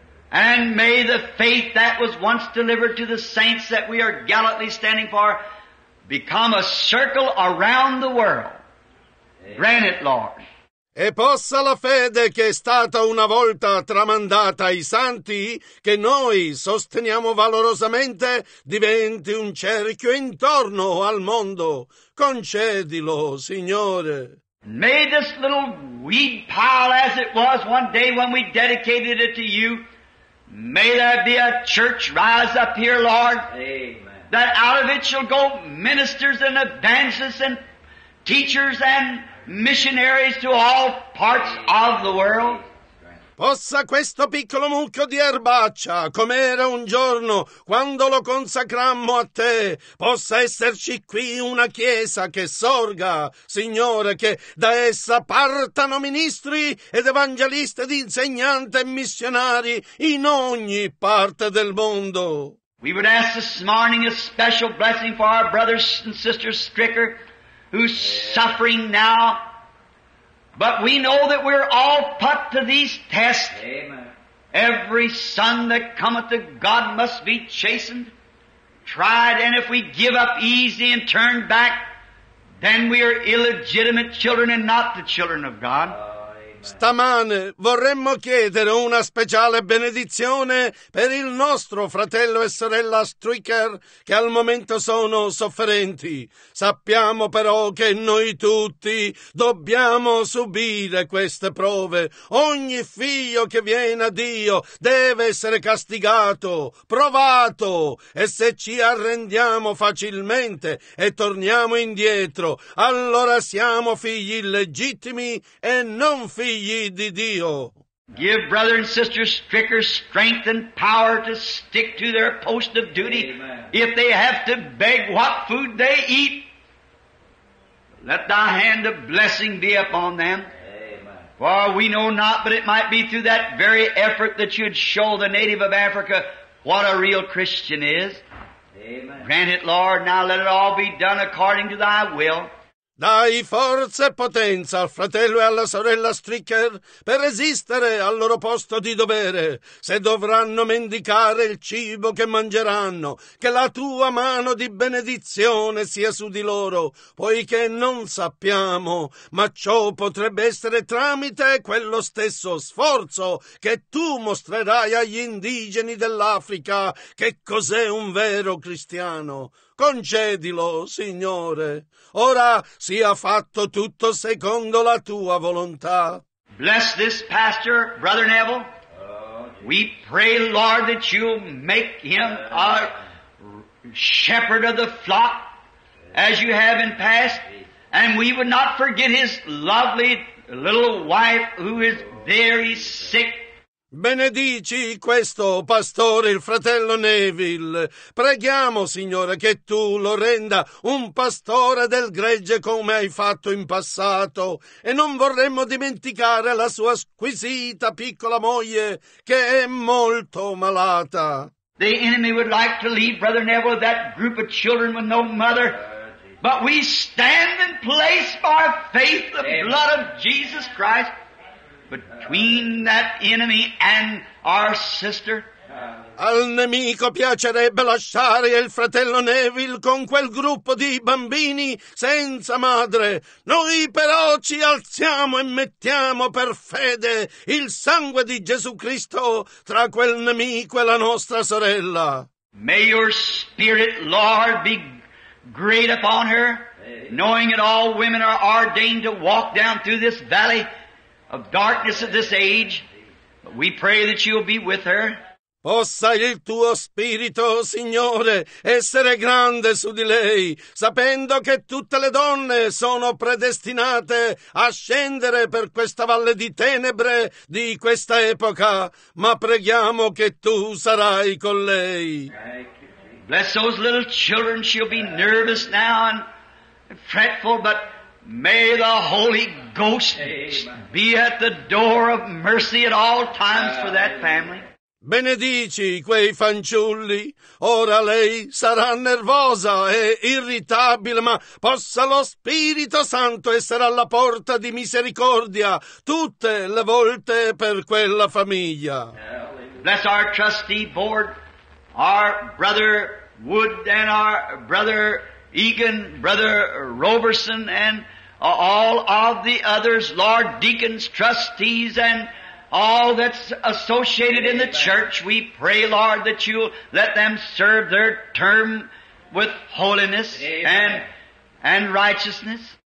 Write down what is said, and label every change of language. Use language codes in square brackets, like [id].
[en] And may the faith that was once delivered to the saints that we are gallantly standing for become a circle around the world. Grant it, Lord. [it] E possa la fede che è stata una volta tramandata ai santi, che noi sosteniamo valorosamente, diventi un cerchio intorno al mondo. Concedilo, Signore. [en] May this little weed pile, as it was one day when we dedicated it to you, may there be a church rise up here, Lord, Amen. That out of it shall go ministers and evangelists and teachers and missionaries to all parts of the world. [it] Possa questo piccolo mucchio di erbaccia, come era un giorno quando lo consacrammo a te, possa esserci qui una chiesa che sorga, Signore, che da essa partano ministri ed evangelisti ed insegnanti e missionari in ogni parte del mondo. [en] We would ask this morning a special blessing for our brothers and sisters Stricker, who's suffering now. But we know that we're all put to these tests. Amen. Every son that cometh to God must be chastened, tried, and if we give up easy and turn back, then we are illegitimate children and not the children of God. [it] Stamane vorremmo chiedere una speciale benedizione per il nostro fratello e sorella Stricker, che al momento sono sofferenti. Sappiamo però che noi tutti dobbiamo subire queste prove. Ogni figlio che viene a Dio deve essere castigato, provato, e se ci arrendiamo facilmente e torniamo indietro, allora siamo figli illegittimi e non figli. [en] Give brother and sister Stricker strength and power to stick to their post of duty. Amen. If they have to beg what food they eat, let thy hand of blessing be upon them. Amen. For we know not, but it might be through that very effort that you'd show the native of Africa what a real Christian is. Amen. Grant it, Lord, now let it all be done according to thy will. [it] Dai forza e potenza al fratello e alla sorella Stricker per resistere al loro posto di dovere. Se dovranno mendicare il cibo che mangeranno, che la tua mano di benedizione sia su di loro, poiché non sappiamo, ma ciò potrebbe essere tramite quello stesso sforzo che tu mostrerai agli indigeni dell'Africa che cos'è un vero cristiano. Concedilo, Signore. Ora sia fatto tutto secondo la tua volontà. [en] Bless this pastor, Brother Neville. We pray, Lord, that you'll make him a shepherd of the flock as you have in past. And we would not forget his lovely little wife who is very sick. [it] Benedici questo pastore, il fratello Neville. Preghiamo, Signore, che tu lo renda un pastore del gregge come hai fatto in passato, e non vorremmo dimenticare la sua squisita piccola moglie che è molto malata. [en] The enemy would like to leave Brother Neville that group of children with no mother, but we stand in place by faith the blood of Jesus Christ between that enemy and our sister. [it] Al nemico piacerebbe lasciare il fratello Neville con quel gruppo di bambini senza madre. Noi però ci alziamo e mettiamo per fede il sangue di Gesù Cristo tra quel nemico e la nostra sorella. [en] May your spirit, Lord, be great upon her, knowing that all women are ordained to walk down through this valley of darkness at this age, but we pray that you'll be with her. [it] Possa il tuo spirito, Signore, essere grande su di lei, sapendo che tutte le donne sono predestinate a scendere per questa valle di tenebre di questa epoca, ma preghiamo che tu sarai con lei. [en] Bless those little children, she'll be nervous now and fretful, but may the Holy Ghost be at the door of mercy at all times for that family. [it] Benedici quei fanciulli, ora lei sarà nervosa e irritabile, ma possa lo Spirito Santo essere alla porta di misericordia tutte le volte per quella famiglia. [en] Bless our trustee board, our brother Wood and our brother Egan, brother Roberson and all of the others, Lord deacons, trustees and all that's associated in the church, we pray, Lord, that you'll let them serve their term with holiness and righteousness.